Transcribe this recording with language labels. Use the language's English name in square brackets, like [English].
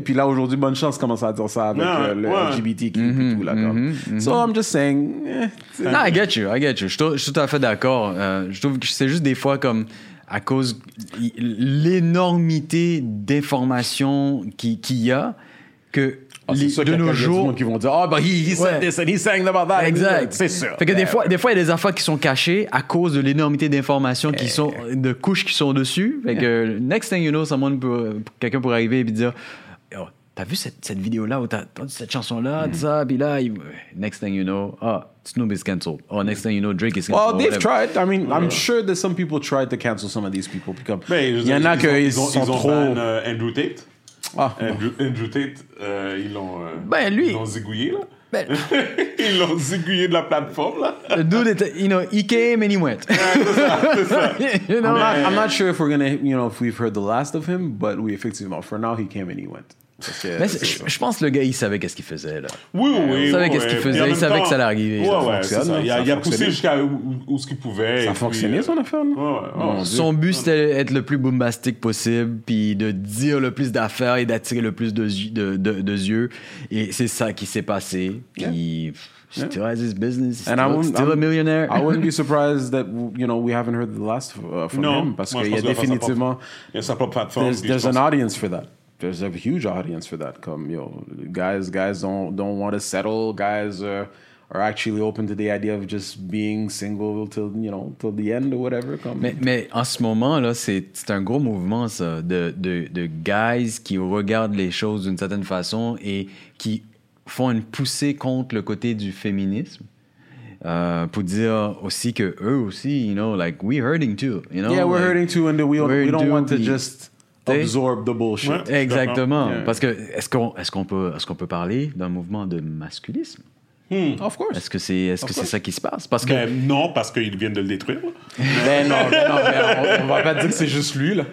[French] Puis là, aujourd'hui, bonne chance commence à dire ça avec LGBT qui est tout là. [English] So I'm just saying... Nah, I get you. [French] Je suis tout à fait d'accord. Je trouve que c'est juste des fois comme... À cause de l'énormité d'informations qu'il y a, que de nos jours. Il y a des gens qui vont dire, [English] oh, but he said this and he sang about that. [French] Exact. C'est sûr. Fait que des fois, il y a des affaires qui sont cachées à cause de l'énormité d'informations qui sont, de couches qui sont dessus. Fait que, [English] next thing you know, [French] quelqu'un pourrait arriver et puis dire, oh, t'as vu cette vidéo-là ou t'as entendu cette chanson-là, ça, puis là, next thing you know, ah. [English] Oh, Snoop is canceled. Oh, next thing you know, Drake is canceled. Well, they've tried. I mean, I'm sure that some people tried to cancel some of these people. Because [French] il y en a qui sont trop... Ils ont trop... ban Andrew Tate. Ah, Andrew Tate, ils l'ont... Ben, lui... Ils l'ont zigouillé, là. Ben... ils l'ont zigouillé de la plateforme, là. [English] The dude, you know, he came and he went. [French] c'est ça. [English] You know? I'm not sure if we're gonna... You know, if we've heard the last of him, but we effectively... For now, he came and he went. [French] Je pense que le gars, il savait qu'est-ce qu'il faisait. Là. Oui, il savait qu'est-ce qu'il faisait. Il savait que ça allait arriver. Il a poussé jusqu'à où ce qu'il pouvait. Ça a fonctionné, son affaire. Son but, c'était d'être le plus bombastique possible, puis de dire le plus d'affaires et d'attirer le plus de yeux. Et c'est ça qui s'est passé. [English] Still has his business. He's still a millionaire. I wouldn't be surprised that we haven't heard the last from him. [French] Parce qu'il y a définitivement... Il y a sa propre plateforme. [English] There's an audience for that. There's a huge audience for that. Come, you know, guys don't want to settle. Guys are actually open to the idea of just being single till the end or whatever. Come. [French] Mais en ce moment là, c'est un gros mouvement ça de guys qui regardent les choses d'une certaine façon et qui font une poussée contre le côté du féminisme. Pour dire aussi que eux aussi, [English] we're hurting too, Yeah, we're hurting too, and we don't want to just absorb the bullshit. [French] Ouais, exactement. [English] Yeah. [French] Parce que est-ce qu'on peut parler d'un mouvement de masculisme? [English] Hmm. Of course. [French] Est-ce que c'est ça qui se passe? Parce que non, parce qu'ils viennent de le détruire. Mais non. On va pas dire que c'est juste lui là.